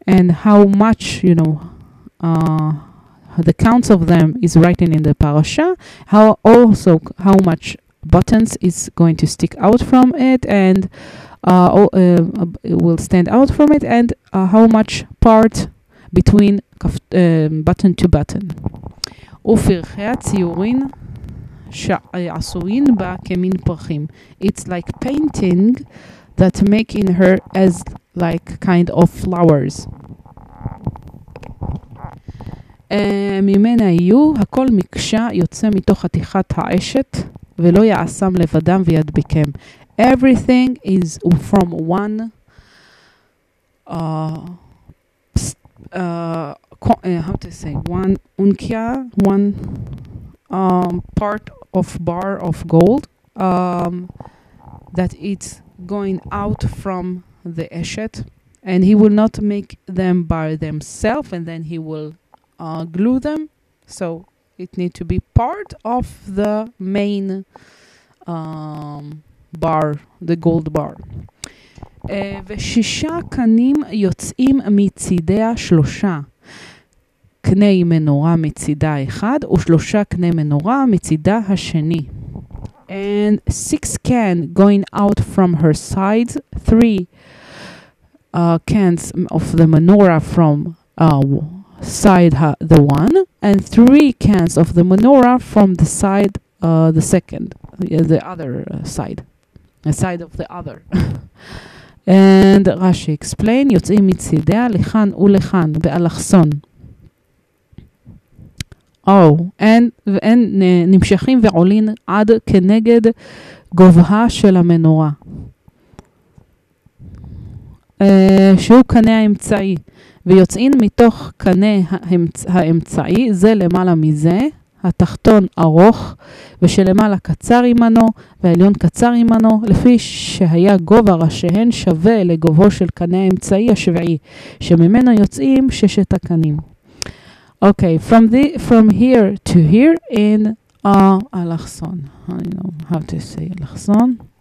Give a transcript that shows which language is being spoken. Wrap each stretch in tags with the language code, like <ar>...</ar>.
<en>how much, you know, the counts of them is written in the parasha, how also how much buttons is going to stick out from it, and will stand out from it, and how much part between button to button.</en> <he>ופרחי הציורים שעשויים בה כמין פרחים,</he> <en>it's like painting that make in her as like kind of flowers.</en> <he>ממנה יהיו הכל מקשה יוצא מתוך חתיכת האשת ולא יעשם לבדם וידביקם.</he> <en>Everything is from one how to say, one unkia, one part of bar of gold, that it's going out from the eshet, and he will not make them by themselves, and then he will glue them, so it need to be part of the main bar, the gold bar.</en> <he>ושישה קנים יוצאים מצידיה שלושה קני מנורה מצידה אחד ושלושה קני מנורה מצידה השני.</he> <en>And six can going out from her sides, three cans of the menorah from side the one, and three cans of the menorah from the side the second, the other side, the side of the other. And Rashi explain</en> <he>yotzim mitzideh lechan ulechan be'alachson. And nimshachim ve'olin ad keneged govha shel ha'menorah shehu kaneh ha'emtzai. ויוצאין מתוך קנה האמצעי, זה למעלה מזה, התחתון ארוך, ושלמעלה קצר עמנו, והעליון קצר עמנו, לפי שהיה גובה ראשיהן שווה לגובהו של קנה האמצעי השביעי, שממנו יוצאים ששת הקנים.</he> <en>Okay, from here to here in אלכסון. I know how to say אלכסון.</en>